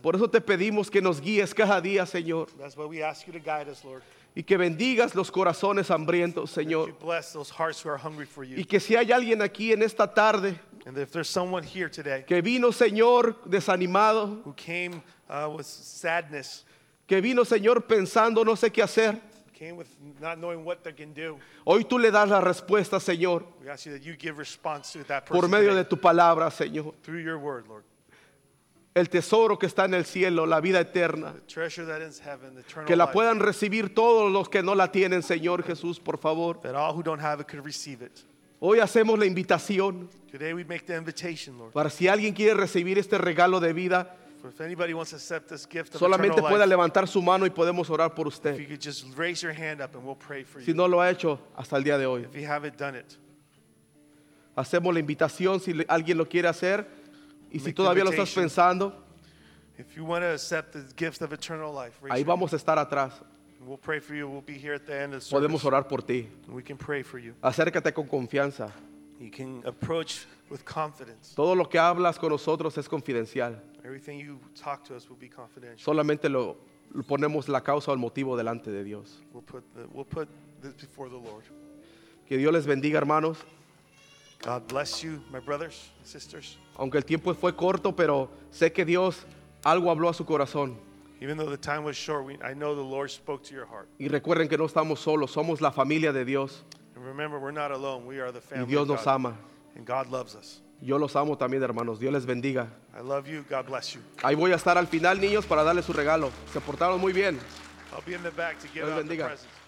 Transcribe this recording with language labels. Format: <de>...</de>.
<es>Por eso te pedimos que nos guíes cada día, Señor.</es> <en>That's why we ask you to guide us, Lord.</en> <es>Y que bendigas los corazones hambrientos, Señor.</es> <en>And you bless those hearts who are hungry for you.</en> <es>Y que si hay alguien aquí en esta tarde,</es> <en>and if there's someone here today,</en> <es>que vino, Señor, desanimado,</es> <en>who came with sadness,</en> <es>que vino, Señor, pensando no sé qué hacer,</es> <en>came with not knowing what they can do.</en> <es>Hoy tú le das la respuesta, Señor.</es> <en>We ask you that you give response to that person.</en> <es>Por medio</es> <en>today,</en> <es>de tu palabra, Señor.</es> <en>Through your word, Lord.</en> <es>El tesoro que está en el cielo, la vida eterna.</es> <en>The treasure that is heaven, the eternal</en> <es>que la</es> <en>life.</en> <es>Puedan recibir todos los que no la tienen, Señor Jesús, por favor.</es> <en>That all who don't have it could receive it.</en> <es>Hoy hacemos la invitación.</es> <en>Today we make the invitation, Lord.</en> <es>Para si alguien quiere recibir este regalo de vida.</es> <en>For if anybody wants to accept this gift of</en> <es>solamente</es> <en>eternal</en> <es>pueda levantar su mano y podemos orar por usted.</es> <en>If you could just raise your hand up and we'll pray for</en> <es>si</es> <en>you.</en> <es>Si no lo ha hecho hasta el día de hoy.</es> <en>If you haven't done it.</en> <es>Hacemos la invitación si alguien lo quiere hacer y si todavía lo estás pensando.</es> <en>If you want to accept the gift of eternal life,</en> <es>ahí vamos a estar atrás.</es> <en>We'll pray for you. We'll be here at the end of the service.</en> <es>Podemos orar por ti.</es> <en>We can pray for you.</en> <es>Acércate con confianza.</es> <en>You can approach with confidence.</en> <es>Todo lo que hablas con nosotros es confidencial.</es> <en>Everything you talk to us will be confidential.</en> <es>Solamente lo ponemos la causa o el motivo delante de Dios.</es> <en>We'll put this before the Lord.</en> <es>Que Dios les bendiga, hermanos.</es> <en>God bless you, my brothers, sisters.</en> <es>Aunque el tiempo fue corto, pero sé que Dios algo habló a su corazón.</es> <en>Even though the time was short, I know the Lord spoke to your heart.</en> <es>Y recuerden que no estamos solos, somos la familia de Dios.</es> <en>And remember, we're not alone. We are the family.</en> <es>Y Dios nos ama.</es> <en>And God loves us.</en> <es>Yo los amo también, hermanos. Dios les bendiga.</es> <en>I love you. God bless you.</en> <es>Ahí voy a estar al final, niños, para darles su regalo. Se portaron muy bien.</es> <en>I'll be in the back to give out the presents.</en>